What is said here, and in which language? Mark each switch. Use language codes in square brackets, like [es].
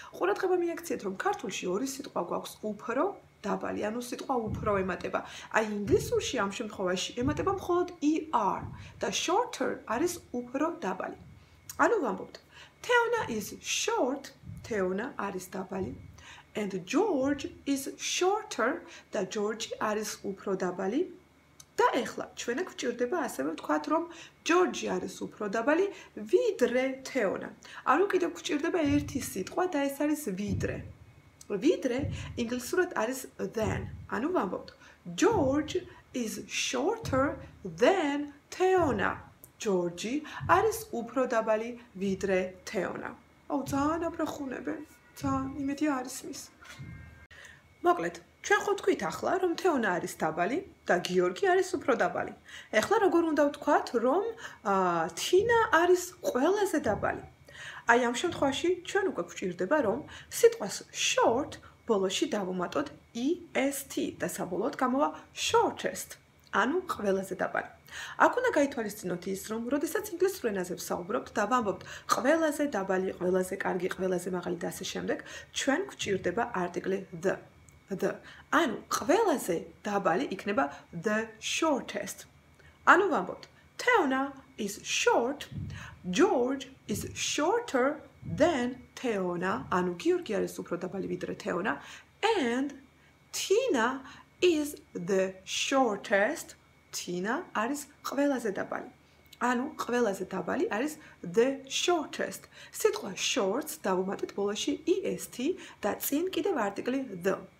[ka] ყურადღება მიაქციეთ რომ ქართულში ორი სიტყვა გვაქვს უფრო დაბალი, ანუ სიტყვა უფრო ემატება. აი ინგლისურში ამ შემთხვევაში ემატება მხოლოდ er და shorter არის უფრო დაბალი. ანუ ვამბობთ [en] Theona is short, [ka] Theona არის დაბალი. [en] And George is shorter, [ka] და George არის უფრო დაბალი. და ეხლა ჩვენ აქ გვჭირდება ასევე ვთქვათ, რომ George არის უფრო დაბალი ვიდრე Theona. ანუ კიდევ გვჭირდება ერთი სიტყვა და ეს არის ვიდრე. ვიდრე ინგლისურად არის than. ანუ ვამბობთ [en] George is shorter than Theona. [ka] ჯორჯი არის უფრო დაბალი ვიდრე თეონა. აუ ძალიან აბრახუნებენ. ძალიან იმედი არის მის. მოკლედ, ჩვენ ხო თქვით ახლა რომ თეონა არის დაბალი და გიორგი არის უფრო დაბალი. ახლა როგორ უნდა ვთქვათ რომ თინა არის ყველაზე დაბალი. აი ამ შემთხვევაში ჩვენ უკვე გვჭირდება რომ სიტყვას short ბოლოში დავუმატოთ est და საბოლოოდ გამოვა shortest. ანუ ყველაზე დაბალი. აქ უნდა გაითვალისწინოთ ის, რომ როდესაც ინგლისურ ენაზე ვსაუბრობთ და ვამბობთ ყველაზე დაბალი, ყველაზე კარგი, ყველაზე მაღალი და ასე შემდეგ, ჩვენ გვჭირდება არტიკლი the. The. ანუ ყველაზე დაბალი იქნება [en] the shortest. [ka] ანუ ვამბობთ [en] Theona is short. George is shorter than Theona. [ka] ანუ გიორგი არის უფრო დაბალი ვიდრე [en] Theona and Tina is the shortest. [ka] Tina არის ყველაზე დაბალი. ანუ ყველაზე დაბალი არის [en] the shortest. [ka] სიტყვა shorts დავუმატეთ ბოლოში est და წინ კიდევ არტიკლი the.